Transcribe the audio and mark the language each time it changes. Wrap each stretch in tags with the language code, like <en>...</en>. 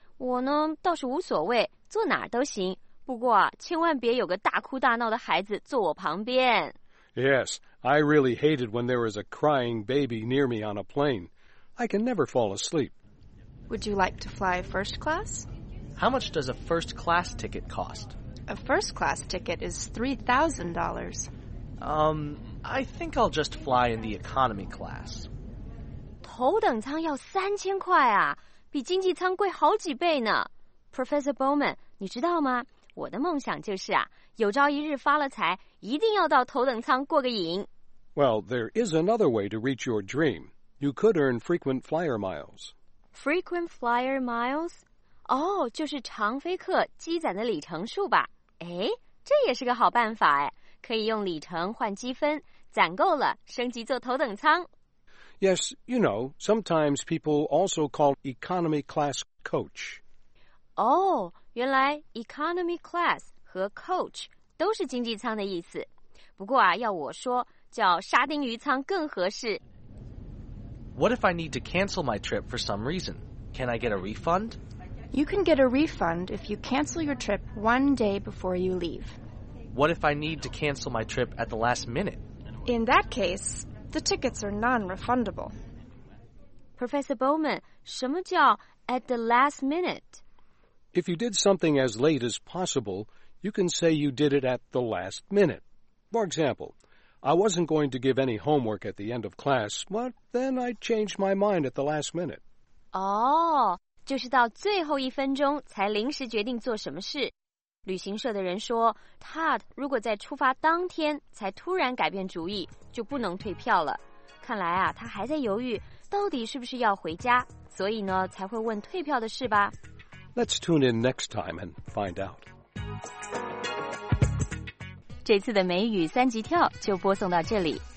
<zh>我呢倒是无所谓，坐哪儿都行，不过啊，千万别有个大哭大闹的孩子坐我旁边。</zh> <en>Yes, I really hated when there was a crying baby near me on a plane. I can never fall asleep. Would you like to fly first class? How much does a first class ticket cost? A first class ticket is $3,000. I think I'll just fly in the economy class.</en> <zh>头等舱要3000块啊，比经济舱贵好几倍呢。 Professor Bowman, 你知道吗？我的梦想就是啊，有朝一日发了财，一定要到头等舱过个瘾。</zh> <en>Well, there is another way to reach your dream. You could earn frequent flyer miles. Frequent flyer miles?</en> <zh>哦，就是长飞客积攒的里程数吧。哎，这也是个好办法哎，可以用里程换积分，攒够了升级坐头等舱。</zh> <en>Yes, you know, sometimes people also call economy class coach.</en> <zh>Oh, 原来 economy class 和 coach 都是经济舱的意思。不过啊，要我说，叫沙丁鱼舱更合适。</zh> <en>What if I need to cancel my trip for some reason? Can I get a refund? You can get a refund if you cancel your trip one day before you leave. What if I need to cancel my trip at the last minute? In that case... The tickets are non-refundable. Professor Bowman, 什么叫 at the last minute? If you did something as late as possible, you can say you did it at the last minute. For example, I wasn't going to give any homework at the end of class, but then I changed my mind at the last minute.</en> <zh>哦、oh, ，就是到最后一分钟才临时决定做什么事。旅行社的人说 ，Todd 如果在出发当天才突然改变主意，就不能退票了。看来啊，他还在犹豫到底是不是要回家，所以呢才会问退票的事吧。</zh> <en>Let's tune in next time and find out.</en> <zh>这次的美语三级跳就播送到这里。</zh>